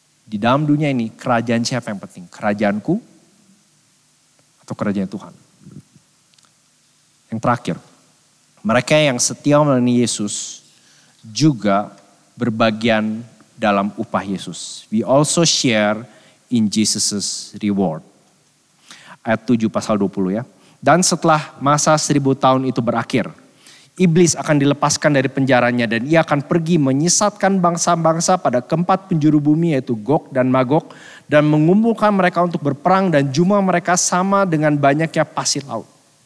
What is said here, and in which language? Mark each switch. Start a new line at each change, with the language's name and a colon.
Indonesian: Di dalam dunia ini kerajaan siapa yang penting? Kerajaanku atau kerajaan Tuhan? Yang terakhir, mereka yang setia melayani Yesus juga berbagian dalam upah Yesus.
English: We also share in Jesus' reward.
Indonesian: Ayat 7 pasal 20 ya. Dan setelah masa 1000 tahun itu berakhir, iblis akan dilepaskan dari penjaranya dan ia akan pergi menyesatkan bangsa-bangsa pada keempat penjuru bumi yaitu Gog dan Magog dan mengumpulkan mereka untuk berperang dan jumlah mereka sama dengan banyaknya pasir laut.